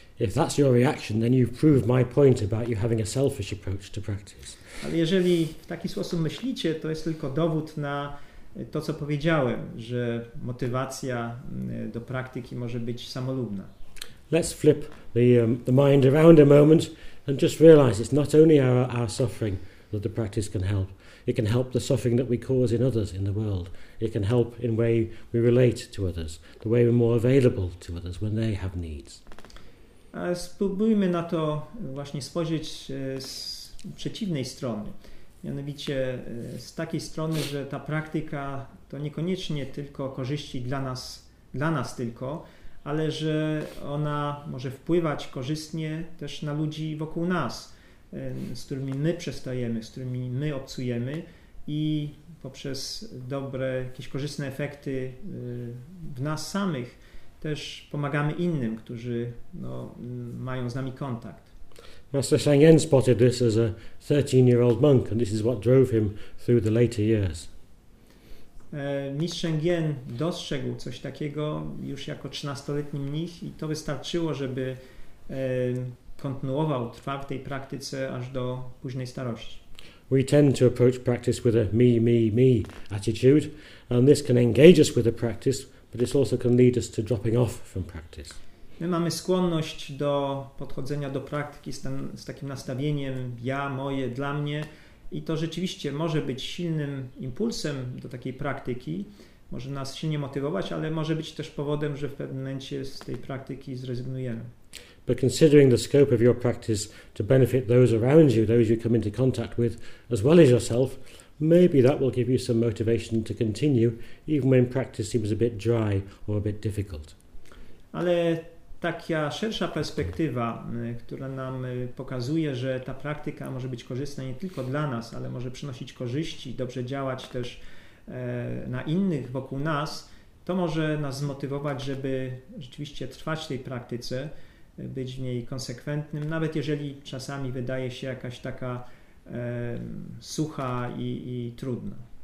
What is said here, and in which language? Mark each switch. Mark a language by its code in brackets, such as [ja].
[en] If that's your reaction, then you've proved my point about you having a selfish approach to practice. [pl] Ale jeżeli w taki sposób myślicie, to jest tylko dowód na to, co powiedziałem, że motywacja do praktyki może być samolubna. [en] Let's flip the mind around a moment and just realize it's not only our suffering that the practice can help. It can help the suffering that we cause in others in the world. It can help in way we relate to others, the way we're more available to others when they have needs. [pl] A spróbujmy na to właśnie spojrzeć z przeciwnej strony. Mianowicie z takiej strony, że ta praktyka to niekoniecznie tylko korzyści dla nas tylko, ale że ona może wpływać korzystnie też na ludzi wokół nas, z którymi my przestajemy, z którymi my obcujemy i poprzez dobre, jakieś korzystne efekty w nas samych też pomagamy innym, którzy no, mają z nami kontakt. [en] Master Shangyan spotted this as a 13-year-old monk and this is what drove him through the later years. [pl] Mistrz Shangyan dostrzegł coś takiego już jako 13-letni mnich i to wystarczyło, żeby kontynuował, trwał w tej praktyce aż do późnej starości. [en] We tend to approach practice with a me, me, me attitude and this can engage us with the practice, but this also can lead us to dropping off from practice. [pl] My mamy skłonność do podchodzenia do praktyki z takim nastawieniem ja, moje, dla mnie i to rzeczywiście może być silnym impulsem do takiej praktyki, może nas silnie motywować, ale może być też powodem, że w pewnym momencie z tej praktyki zrezygnujemy. [en] But considering the scope of your practice to benefit those around you, those you come into contact with, as well as yourself, maybe that will give you some motivation to continue, even when practice seems a bit dry or a bit difficult. [pl] Ale taka szersza perspektywa, która nam pokazuje, że ta praktyka może być korzystna nie tylko dla nas, ale może przynosić korzyści, dobrze działać też na innych wokół nas, to może nas zmotywować, żeby rzeczywiście trwać w tej praktyce, być w niej konsekwentnym, nawet jeżeli czasami wydaje się jakaś taka sucha i trudna.